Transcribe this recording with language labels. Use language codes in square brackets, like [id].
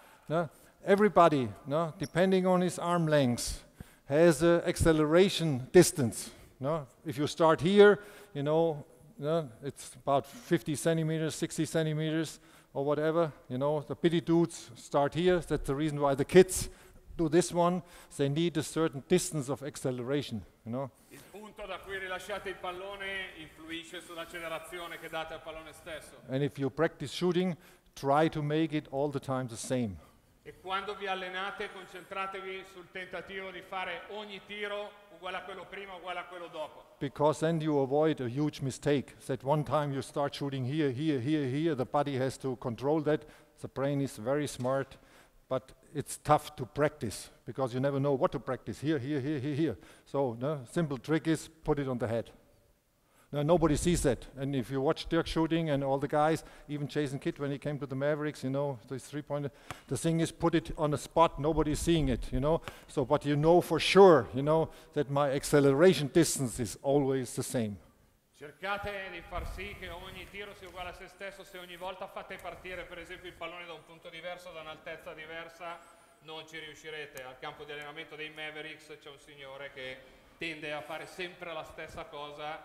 [en] No? Everybody, no? Depending on his arm length, has an acceleration distance. No, if you start here, you know, no, it's about 50 centimeters, 60 centimeters, or whatever. You know, the pity dudes start here. That's the reason why the kids do this one. They need a certain distance of acceleration. You know. [it] Il punto da cui rilasciate il pallone influisce sull'accelerazione che date al pallone stesso. [en] And if you practice shooting, try to make it all the time the same. [it] E quando vi allenate, concentratevi sul tentativo di fare ogni tiro uguale a quello prima, uguale a quello dopo. [en] Because then you avoid a huge mistake. That one time you start shooting here, here, here, here, the body has to control that. The brain is very smart, but it's tough to practice because you never know what to practice. Here, here, here, here, here. So, no, simple trick is put it on the head. No, nobody sees that. And if you watch Dirk shooting and all the guys, even Jason Kidd when he came to the Mavericks, you know, this three-pointer, the thing is put it on a spot, nobody's seeing it, you know. So, but you know for sure, you know, that my acceleration distance is always the same. [it] Cercate di far sì che ogni tiro sia uguale a se stesso, se ogni volta fate partire, per esempio, il pallone da un punto diverso, da un'altezza diversa, non ci riuscirete. Al campo di allenamento dei Mavericks c'è un signore che tende a fare sempre la stessa cosa, sempre lo stesso movimento, sempre dallo stesso punto.